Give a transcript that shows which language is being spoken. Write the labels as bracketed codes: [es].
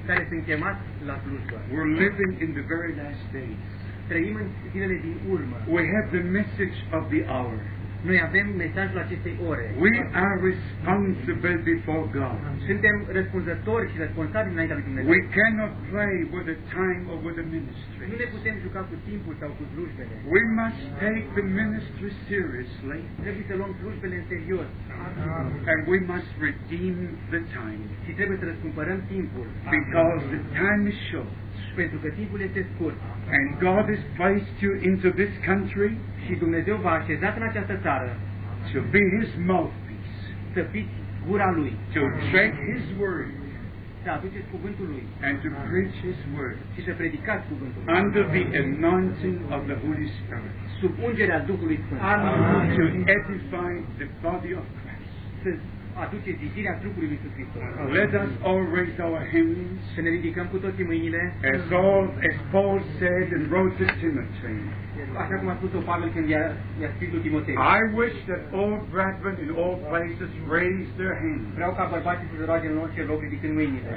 [ro] care sunt chemați la slujbă, [en] we're living in the very last days. [ro] Trăim în zilele din urmă. [en] We have the message of the hour. [ro] Noi avem mesajul acestei ore. [en] We are responsible before God. [ro] Suntem răspunzători și responsabili înaintea lui Dumnezeu. [en] We cannot play with the time or with the ministry. [ro] Nu ne putem juca cu timpul sau cu slujbele. [en] We must take the ministry seriously. [ro] Trebuie să luăm slujbele în serios. [en] And we must redeem the time. [ro] Și trebuie să răscumpărăm timpul. [en] Because the time is short. [ro] Pentru că timpul este scurt. [en] And God has placed you into this country. [ro] Și Dumnezeu v-a așezat în această țară. [en] To be His mouthpiece. [ro] Să fiți gura Lui. [en] To take His word. [ro] Să aduceți cuvântul Lui. [en] And to preach His word. [ro] Și să predicați cuvântul Lui. [en] Under the anointing of the Holy Spirit. [ro] Sub ungerea Duhului Sfânt. [en] Amen. To edify the body of Christ. [ro] Aduce zidirea trupului lui Iisus Hristos. [en] Let us all raise our hands. [ro] Să ne ridicăm cu toții mâinile. [en] As Paul said and wrote to Timothy. [ro] Așa cum a spus-o Pavel când i-a scris lui Timotei. [en] I wish that all brethren in all places raise their hands. [ro] Vreau ca bărbații să se roage în orice loc ridicând mâinile.